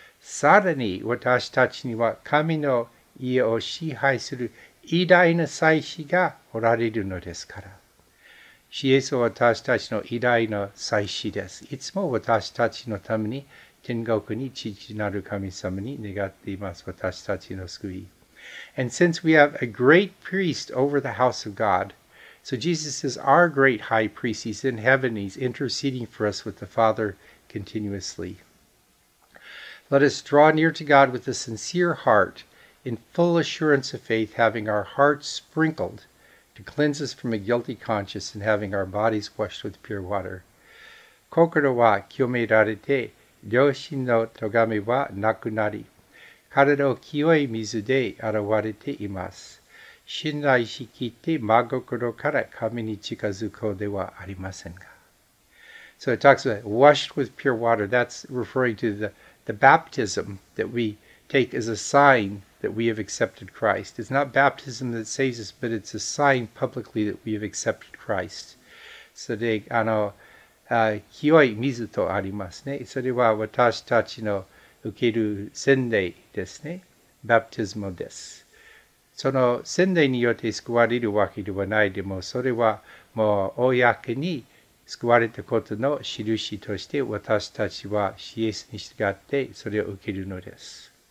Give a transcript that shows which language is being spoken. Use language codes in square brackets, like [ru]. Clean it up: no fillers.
[ja] さらに、私たちには神の家を支配する偉大な祭司がおられるのですから。イエスは私たちの偉大な祭司です。いつも私たちのために天国に父なる神様に願っています。私たちの救い。 [en] And since we have a great priest over the house of God, so Jesus is our great high priest. He's in heaven. He's interceding for us with the Father continuously. Let us draw near to God with a sincere heart. In full assurance of faith, having our hearts sprinkled to cleanse us from a guilty conscience and having our bodies washed with pure water. [ja] 心は清められて、良心の咎めはなくなり、体を清い水で洗われています。信頼しきって真心から神に近づこうではありませんか。 [en] So it talks about washed with pure water. That's referring to the baptism that we take as a signthat we have accepted Christ. It's not baptism that saves us, but it's a sign publicly that we have accepted Christ. [ja] それであの、清い水とありますね。それは私たちの受ける洗礼ですね。バプティズムです。その洗礼によって救われるわけではないでも、それはもう公に救われたことの印として私たちはイエスに従ってそれを受けるのです。